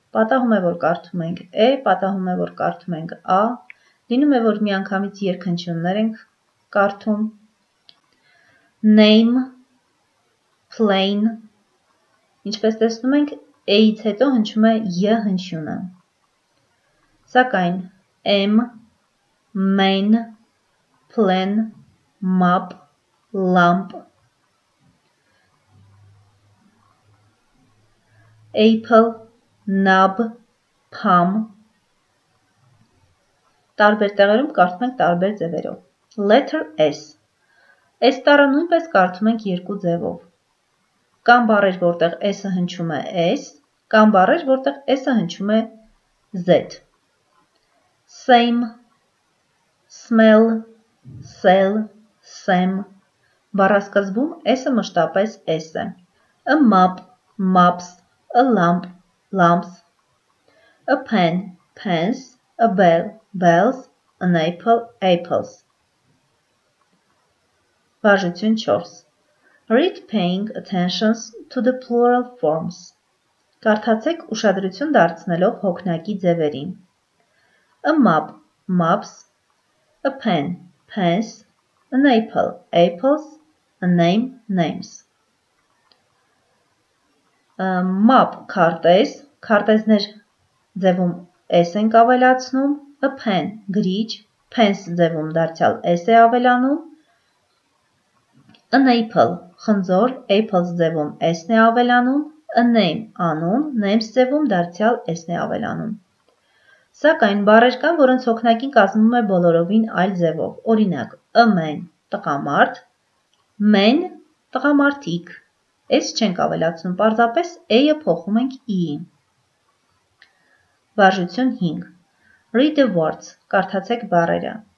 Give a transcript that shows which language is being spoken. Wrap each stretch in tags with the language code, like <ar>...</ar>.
<hy>Պատահում է, որ կարդում ենք E, պատահում է, որ կարդում ենք A, լինում է, որ միանգամից երկնչյուններ ենք կարդում.</hy> <en>Name, plain.</en> <hy>Ինչպես տեսնում ենք, A-ից հետո հնչում է Y հնչյունը.</hy> <en>Սակայն M, main, plan, map, lamp. Apple, nab, palm.</en> <hy>Տարբեր տեղերում կարդում ենք տարբեր ձևերով.</hy> <en>Letter S.</en> <hy>S տառը նույնպես կարդում ենք երկու ձևով. Կամ բառեր, որտեղ S-ը հնչում է S, կամ բառեր, որտեղ S-ը հնչում է Z.</hy> <en>Same, smell, sell, same.</en> <hy>Բառասկզբում S-ը մշտապես S է.</hy> <en>A map, maps. A lamp, lamps. A pen, pens. A bell, bells. An apple, apples.</en> <hy>Վարժություն 4.</hy> <en>Read paying attention to the plural forms.</en> <hy>Կարդացեք ուշադրություն դարձնելով հոգնակի ձևերին.</hy> <en>A map, maps. A pen, pens. An apple, apples. A name, names.</en> <hy>Map, քարտեզ, քարտեզներ ձևում S ենք ավելացնում, a pen, գրիչ, pens ձևում դարձյալ S է ավելանում, an apple, խնձոր, apples ձևում S է ավելանում, a name, անուն, names ձևում դարձյալ S է ավելանում. Սակայն բառեր կան, որոնց հոգնակին կազմում է բոլորովին այլ ձևով, օրինակ, a man, տղամարդ, men, տղամարդիկ. S չենք ավելացնում, պարզապես A-ը փոխում ենք E-ի. Վարժություն 5.</hy> <en>Read the words,</en> <hy>կարդացեք բառերը.</hy>